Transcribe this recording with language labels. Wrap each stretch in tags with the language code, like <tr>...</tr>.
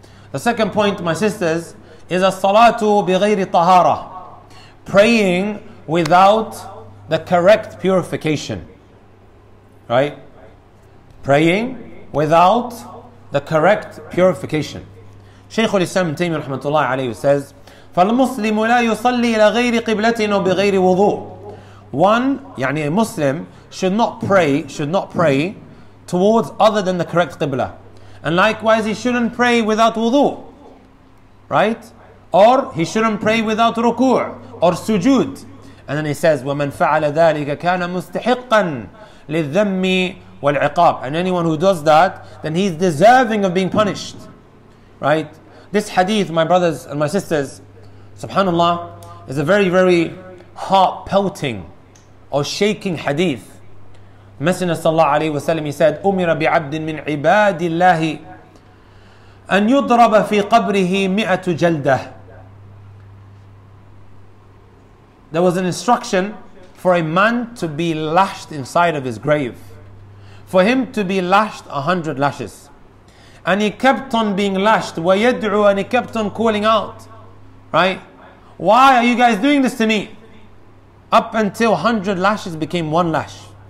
<en>The second point, my sisters, is</en> <ar>as-salatu bighayri tahara,</ar> <en>praying without the correct purification. Right? Praying without the correct purification. Shaykh al-Islam Taymiyyah rahmatullah alayhi says,</en> <ar>فَالْمُسْلِمُ لَا يُصَلِّي إِلَى غَيْرِ قِبْلَةٍ وَبِغَيْرِ وُضُوءٍ.</ar> <en>One,</en> <ar>يعني</ar> <en>a Muslim, should not pray towards other than the correct qibla. And likewise, he shouldn't pray without wudu, right? Or he shouldn't pray without ruku' or sujood. And then he says,</en> <ar>وَمَنْ فَعَلَ ذَٰلِكَ كَانَ مُسْتَحِقًّا لِلذَّمِّ وَالْعِقَابِ.</ar> <en>And anyone who does that, then he's deserving of being punished, right? This hadith, my brothers and my sisters, subhanAllah, is a very, very heart-pelting or shaking hadith. Messenger sallallahu alayhi wa sallam, he said,</en> <ar>أُمِرَ بِعَبْدٍ مِنْ عِبَادِ اللَّهِ أَنْ يُضْرَبَ فِي قَبْرِهِ مِئَةُ جَلْدَةٍ.</ar> <en>There was an instruction for a man to be lashed inside of his grave, for him to be lashed 100 lashes. And he kept on being lashed,</en> <ar>وَيَدْعُوا,</ar> <en>and he kept on calling out, right? Why are you guys doing this to me? Up until 100 lashes became one lash.</en>